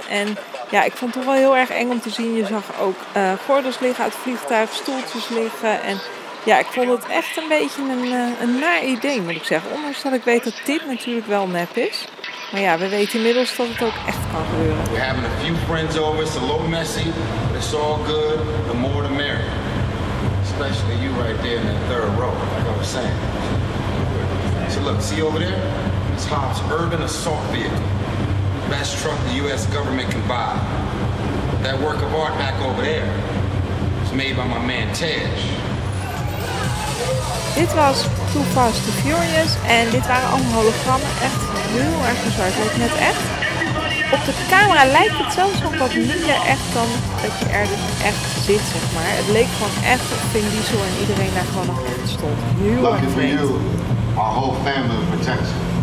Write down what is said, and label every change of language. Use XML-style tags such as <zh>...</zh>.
<nl>En ja, ik vond het toch wel heel erg eng om te zien. Je zag ook gordels liggen uit het vliegtuig, stoeltjes liggen en ja, ik vond het echt een beetje een naar idee, moet ik zeggen. Ondanks dat ik weet dat dit natuurlijk wel nep is. Maar ja, we weten inmiddels dat het ook echt kan gebeuren. We hebben een paar vrienden over, het is een beetje messy, maar het is allemaal goed.</nl> <en>The more the merrier. Especially you right there in the third row, like I was saying. So look, see over there? It's Hobbs Urban Assault Vehicle. Best truck the US government can buy. That work of art back over there is made by my man Tej.</en> <nl>Dit was Too Fast to Furious en dit waren allemaal hologrammen. Echt heel erg bizar, ook net echt. Op de camera lijkt het zelfs nog wat minder echt dan dat je er dus echt zit, zeg maar. Het leek gewoon echt op Vin Diesel en iedereen daar gewoon nog echt stond. Heel erg vreemd.</nl> <en>Lucky for you, our whole family of protection.</en>